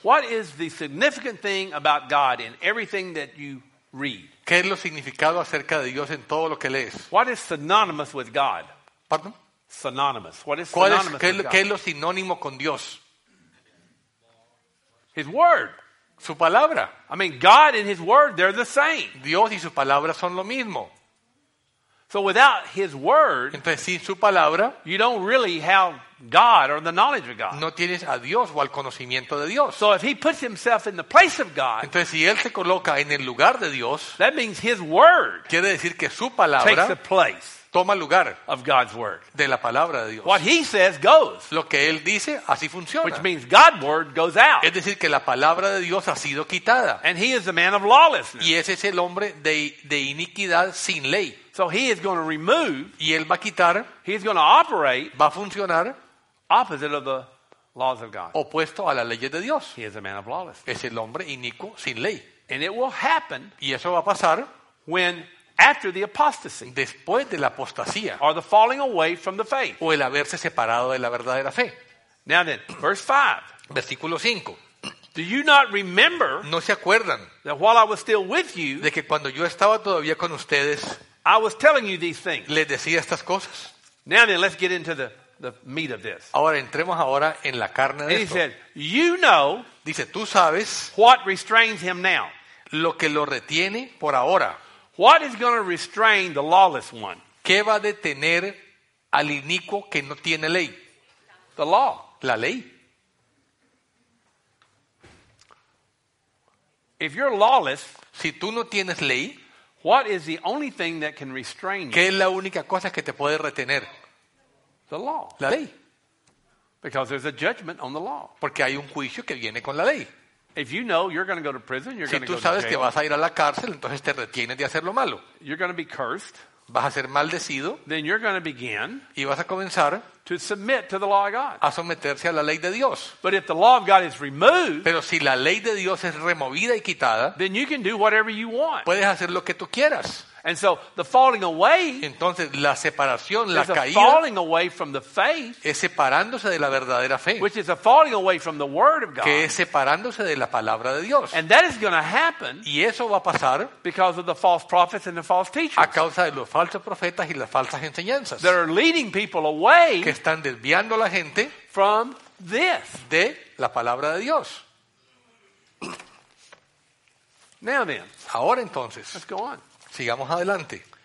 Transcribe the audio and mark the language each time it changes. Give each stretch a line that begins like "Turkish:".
English: What is the significant thing about God in everything that you read?
Spanish: ¿Qué es lo significado acerca de Dios en todo lo que lees?
English: What is synonymous with God? Pardon? Synonymous. What is synonymous with God?
Spanish: ¿Qué es lo sinónimo con Dios?
English: His word.
Spanish: Su palabra.
English: I mean, God and his word, they're the same.
Spanish: Dios y su palabra son lo mismo.
English: So without his word,
Spanish: entonces, sin su palabra,
English: you don't really have God or the knowledge of God.
Spanish: No tienes a Dios o al conocimiento de Dios.
English: So if he puts himself in the place of God,
Spanish: entonces si él se coloca en el lugar de Dios,
English: that means his word,
Spanish: quiere decir que su palabra
English: takes the place,
Spanish: toma lugar
English: of God's word,
Spanish: de la palabra de Dios.
English: What he says goes,
Spanish: lo que él dice así funciona.
English: Which means God's word goes out.
Spanish: Es decir que la palabra de Dios ha sido quitada.
English: And he is the man of lawlessness.
Spanish: Y ese es el hombre de iniquidad sin ley.
English: So he is going to remove,
Spanish: y él va a quitar,
English: he is going to operate,
Spanish: va a funcionar,
English: opposite of the laws of God.
Spanish: Opuesto a las leyes de Dios.
English: He is a man of lawlessness.
Spanish: Es el hombre inicuo sin ley.
English: And it will happen,
Spanish: y eso va a pasar,
English: when after the apostasy,
Spanish: después de la apostasía,
English: or the falling away from the faith,
Spanish: o el haberse separado de la verdadera fe.
English: Now then, verse 5.
Spanish: Versículo 5.
English: Do you not remember,
Spanish: no se acuerdan,
English: that while I was still with you,
Spanish: de que cuando yo estaba todavía con ustedes,
English: I was telling you these things.
Spanish: Les decía estas cosas.
English: Now then, let's get into the meat of this.
Spanish: Ahora entremos ahora en la carne de esto.
English: He said, "You know."
Spanish: Dice, tú sabes.
English: What restrains him now?
Spanish: Lo que lo retiene por ahora.
English: What is going to restrain the lawless one?
Spanish: ¿Qué va a detener al inicuo que no tiene ley?
English: The law.
Spanish: La ley.
English: If you're lawless,
Spanish: si tú no tienes ley,
English: what is the only thing that can restrain you?
Spanish: ¿Qué es la única cosa que te puede retener?
English: The law.
Spanish: La ley.
English: Because there's a judgment on the law.
Spanish: Porque hay un juicio que viene con la ley.
English: If you know you're going to go to prison, you're
Spanish: si
English: going to go to jail.
Spanish: Si tú sabes que vas a ir a la cárcel, entonces te retienes de hacer lo malo.
English: You're going to be cursed.
Spanish: Vas a ser maldecido.
English: Then you're going to begin.
Spanish: Y vas a comenzar
English: to submit to the law of God.
Spanish: A someterse a la ley de Dios.
English: But if the law of God is removed,
Spanish: pero si la ley de Dios es removida y quitada,
English: then you can do whatever you want.
Spanish: Puedes hacer lo que tú quieras.
English: And so the falling away,
Spanish: entonces la separación,
English: is
Spanish: la caída,
English: a falling away from the faith,
Spanish: es separándose de la verdadera fe,
English: which is a falling away from the word of God,
Spanish: que es separándose de la palabra de Dios.
English: And that is going to happen,
Spanish: y eso va a pasar,
English: because of the false prophets and the false teachers,
Spanish: a causa de los falsos profetas y las falsas enseñanzas,
English: that are leading people away,
Spanish: que están desviando a la gente,
English: from this,
Spanish: de la palabra de Dios.
English: Now then,
Spanish: ahora entonces,
English: let's go on.
Spanish: Sigamos adelante.